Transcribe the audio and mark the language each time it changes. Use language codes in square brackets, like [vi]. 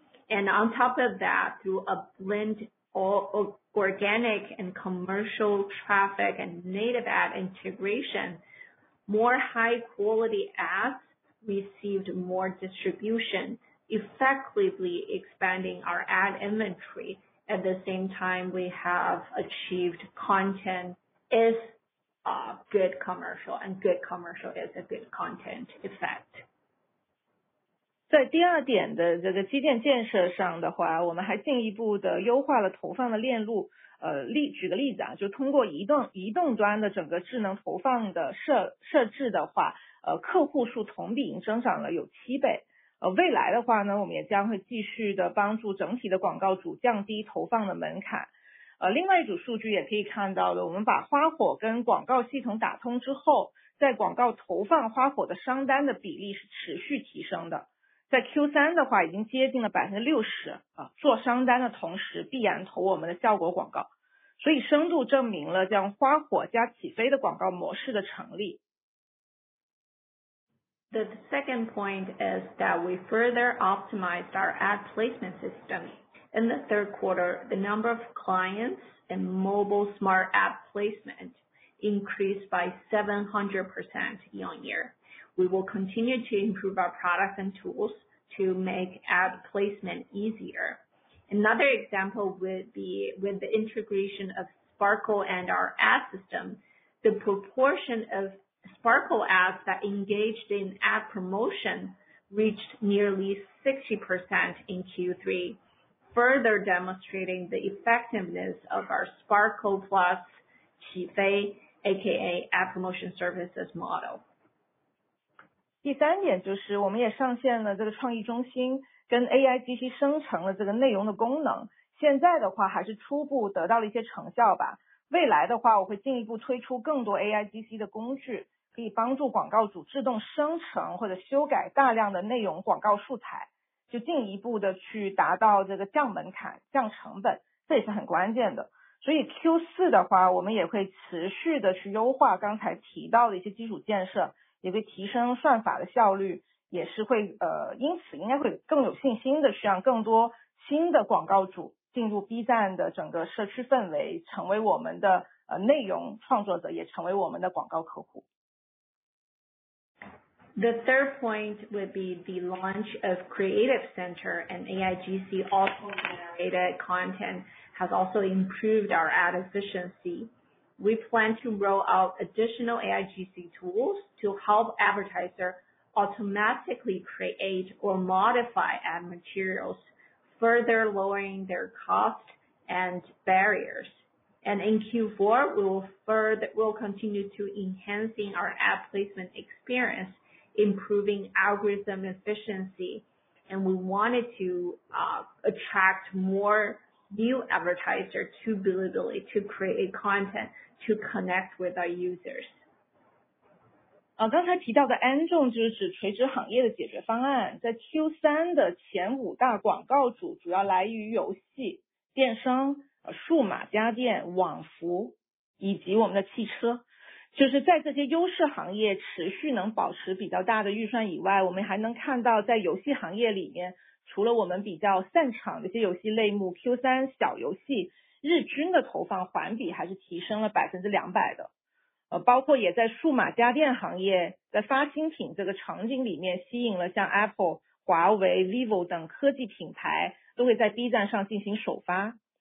[en] And on top of that, through a blend of organic and commercial traffic and native ad integration, more high quality ads received more distribution, effectively expanding our ad inventory. At the same time, we have achieved content is a good commercial, and good commercial is a good content effect. [zh] 在第二点的这个基建建设上的话，我们还进一步的优化了投放的链路。举个例子啊，就通过移动端的整个智能投放的设置的话，客户数同比已经增长了有7倍。未来的话呢，我们也将会继续的帮助整体的广告主降低投放的门槛。另外一组数据也可以看到的，我们把花火跟广告系统打通之后，在广告投放花火的商单的比例是持续提升的。在 Q3 的话已经接近了 60%、做商单的同时必然投我们的效果广告，所以深度证明了将花火加起飞的广告模式的成立。 [en] The second point is that we further optimized our ad placement system. In the third quarter, the number of clients in mobile smart ad placement increased by 700% year-on-year. We will continue to improve our products and tools to make ad placement easier. Another example would be with the integration of Sparkle and our ad system, the proportion of Sparkle ads that engaged in ad promotion reached nearly 60% in Q3, further demonstrating the effectiveness of our Sparkle Plus [zh] 起飞 [en] aka ad promotion services model. [zh] 第三点就是我们也上线了这个创意中心跟 AI 机器生成了这个内容的功能，现在的话还是初步得到了一些成效吧，未来的话我会进一步推出更多 AI 机器的工具，可以帮助广告主自动生成或者修改大量的内容广告素材，就进一步的去达到这个降门槛降成本，这也是很关键的。所以 Q4 的话我们也会持续的去优化刚才提到的一些基础建设，也会提升算法的效率，也是会因此应该会更有信心的去让更多新的广告主进入 B 站的整个社区氛围，成为我们的内容创作者，也成为我们的广告客户。 [en] The third point would be the launch of Creative Center and AIGC auto generated content has also improved our ad efficiency. We plan to roll out additional AIGC tools to help advertisers automatically create or modify ad materials, further lowering their cost and barriers. And in Q4, we'll continue to enhancing our ad placement experience, improving algorithm efficiency, and we wanted to attract more new advertiser to Bilibili to create content to connect with our users. [zh] 刚才提到的 Anzhong 就是指垂直行业的解决方案，在 Q3 的前五大广告主主要来于游戏、电商、数码家电、网服以及我们的汽车。就是在这些优势行业持续能保持比较大的预算以外，我们还能看到在游戏行业里面，除了我们比较擅长的一些游戏类目， Q3 小游戏日均的投放环比还是提升了 200% 的，包括也在数码家电行业，在发新品这个场景里面吸引了像 Apple、 华为、 Vivo 等科技品牌都会在 B 站上进行首发。